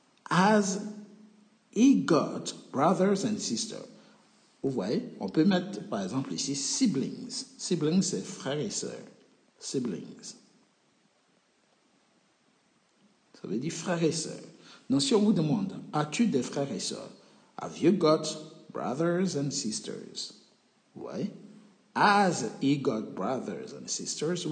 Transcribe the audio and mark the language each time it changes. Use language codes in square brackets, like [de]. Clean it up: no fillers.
[en] Has he got brothers and sisters? [fr] Vous voyez, on peut mettre par exemple ici siblings. Siblings, c'est frères et sœurs. Siblings. Ça veut dire frères et sœurs. Donc si on vous demande, as-tu des frères et sœurs? [en] Have you got brothers and sisters? [fr] Vous voyez? [en] Has he got brothers and sisters?